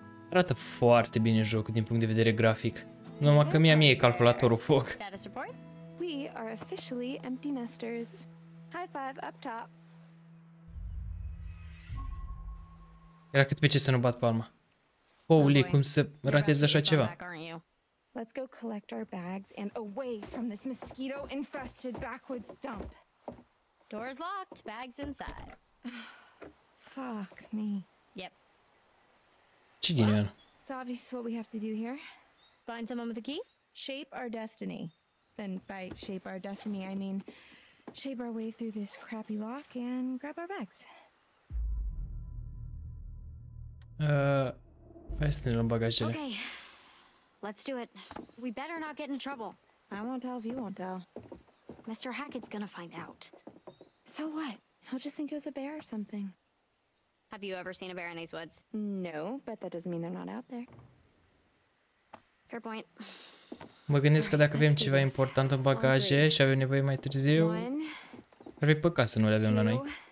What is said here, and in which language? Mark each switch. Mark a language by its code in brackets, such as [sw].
[ro] Arată foarte bine jocul din punct de vedere grafic. Numai că mie e calculatorul foc. [en] We are officially empty nesters. High five up top. [ro] Era cât pe ce să nu bat palma. Holy, cum să ratez așa ceva? [en] Let's go collect our bags and away from this mosquito infested backwoods dump. Doors locked, bags inside. Fuck me. Yep. It's obvious what we have to do here. Find someone with a key? Shape our destiny. Then by shape our destiny, I mean shape our way through this crappy lock and grab our bags. Okay. Let's do it. We better not get in trouble. I won't tell if you won't tell. Mr. Hackett's gonna find out. So what? He'll just think it was a bear or something. Have you ever seen a bear in these woods? No, but that doesn't mean they're not out there. Fair point. [ro] Mă gândesc că dacă avem ceva important în bagaje și avem nevoie mai târziu, ar fi păcat să nu le avem la noi.